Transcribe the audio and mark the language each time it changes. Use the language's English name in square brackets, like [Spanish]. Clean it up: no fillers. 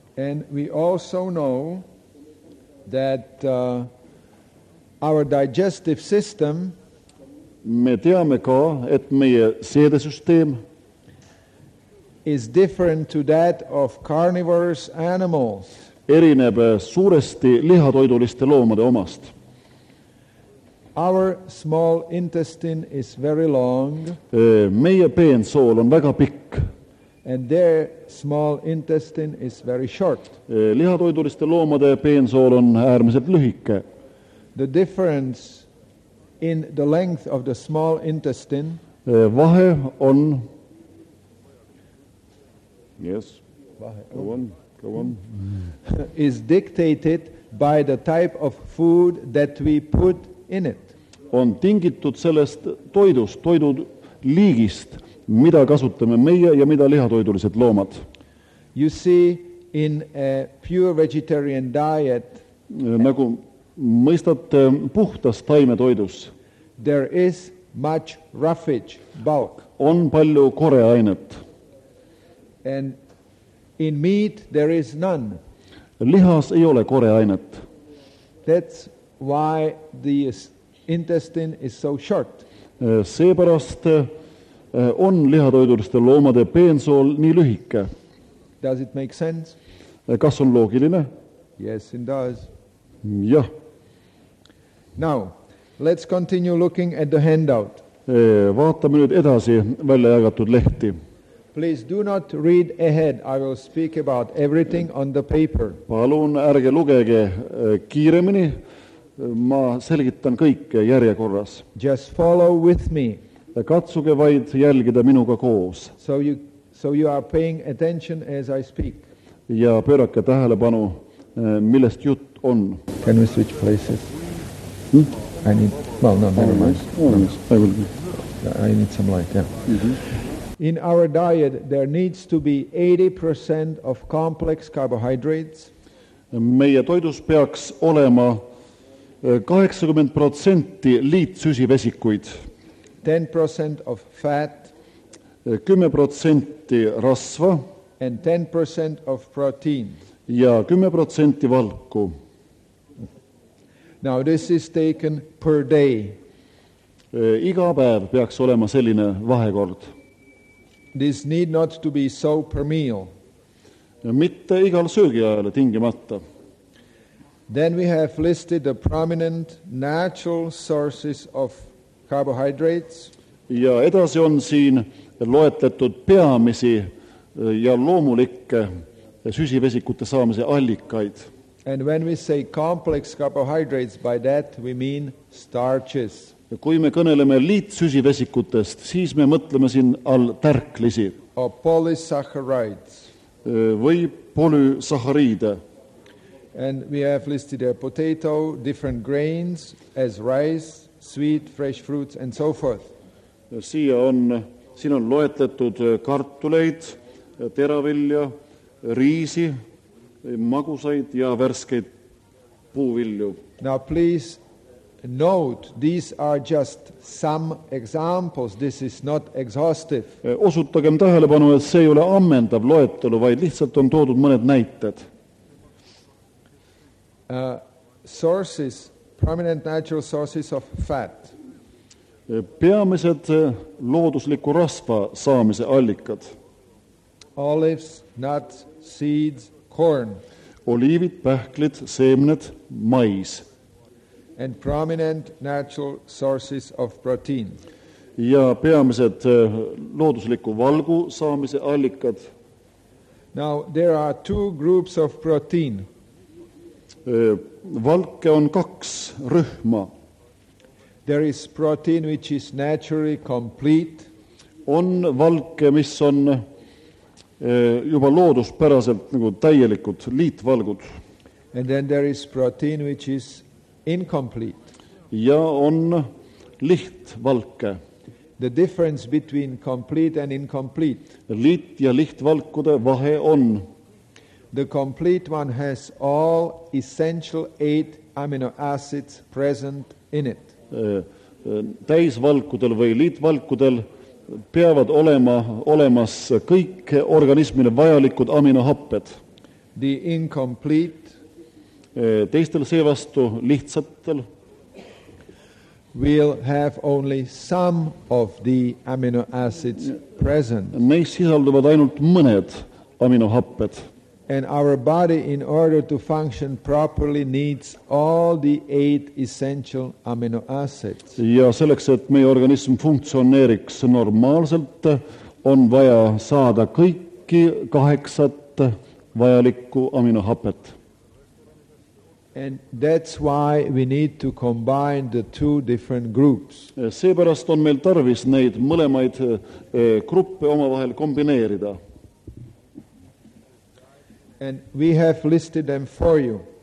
[English] And we also know that our digestive system [Estonian] me teame ka, et meie seedesüsteem [English] is different to that of carnivorous animals. [Estonian] Erineb suuresti lihatoiduliste loomade omast. [English] Our small intestine is very long. [Estonian] Meie peensool on väga pikk. [English] And their small intestine is very short. [Estonian] Lihatoiduliste loomade peensool on äärmiselt lühike. [English] The difference in the length of the small intestine [Estonian] vahe on [English] yes. Go on. Is dictated by the type of food that we put in it. [Estonian] On tingitud sellest toidu liigist, mida kasutame meie ja mida lihatoidulised loomad. [English] You see, in a pure vegetarian diet, [Estonian] nagu mõistate puhtas taimetoidus, [English] there is much roughage, bulk. [Estonian] On palju koreainet. [English] And in meat, there is none. [Estonian] Lihas ei ole koreainet. [English] That's why the intestine is so short. [Estonian] Seepärast on lihatoiduliste loomade peensool nii lühike. [English] Does it make sense? [Estonian] Kas on loogiline? [English] Yes, it does. [Estonian] Jah. [English] Now, let's continue looking at the handout. [Estonian] Vaatame nüüd edasi välja jagatud lehti. [English] Please do not read ahead. I will speak about everything on the paper. [Estonian] Palun ärge lugege kiiremini. Ma selgitan kõike järjekorras. [English] Just follow with me. [Estonian] Katsuge vaid jälgida minuga koos. [English] So you are paying attention as I speak. [Estonian] Ja pöörake tähelepanu, millest jut on. [English] Can we switch places? I need, well, no, never mind. I will. I need some light, yeah. In our diet, there needs to be 80% of complex carbohydrates. [Estonian] Meie toidus peaks olema 80% liitsüsivesikuid. [English] 10% of fat. [Estonian] 10% rasva. [English] And 10% of protein. [Estonian] Ja 10% valku. [English] Now this is taken per day. [Estonian] Iga päev peaks olema selline vahekord. [English] This need not to be so per meal. [Estonian] Mitte igal söögi ajal tingimata. [English] Then we have listed the prominent natural sources of carbohydrates. [Estonian] Ja edasi on siin loetletud peamisi ja loomulikke süsivesikute saamise allikaid. [English] And when we say complex carbohydrates, by that we mean starches. [Estonian] Ja kui me kõneleme liitsüsivesikutest, siis me mõtleme siin all tärklisi. [English] Or polysaccharides. [Estonian] Või polysahariide. [English] And we have listed a potato, different grains, as rice, sweet, fresh fruits, and so forth. [Estonian] Siin on loetletud kartuleid, teravilja, riisi, magusaid ja värskeid puuvilju. [English] Now please note, these are just some examples. This is not exhaustive. [Estonian] Osutagem tähelepanu, et see ei ole ammendav loetelu, vaid lihtsalt on toodud mõned näited. [English] Sources, prominent natural sources of fat. [Estonian] Peamised loodusliku rasva saamise allikad. [English] Olives, nuts, seeds, corn. [Estonian] Oliivid, pähklid, seemned, mais. [English] And prominent natural sources of protein. [Estonian] Ja peamised loodusliku valgu saamise allikad. [English] Now, there are two groups of protein. [Estonian] Valke on kaks rühma. [English] There is protein which is naturally complete. [Estonian] On valke, mis on juba looduspäraselt nagu täielikud liitvalgud. [English] And then there is protein which is incomplete. [Estonian] Ja on lihtvalke. [English] The difference between complete and incomplete. [Estonian] Liit ja lihtvalkude vahe on. [English] The complete one has all essential 8 amino acids present in it. [Estonian] Täisvalkudel või liitvalkudel peavad olema olemas kõik organismile vajalikud aminohapped. [English] The incomplete. [Estonian] Teistel seevastu lihtsatel. [English] We'll have only some of the amino acids present. [Estonian] Meis sisalduvad ainult mõned aminohapped. [English] And our body, in order to function properly, needs all the 8 essential amino acids. [Estonian] Ja selleks, et meie organism funktsioneeriks normaalselt, on vaja saada kõiki 8 vajalikku aminohapet. [English] And that's why we need to combine the two different groups. [Estonian] Seepärast on meil tarvis neid mõlemaid gruppe omavahel kombineerida. [English] And we have listed them for you.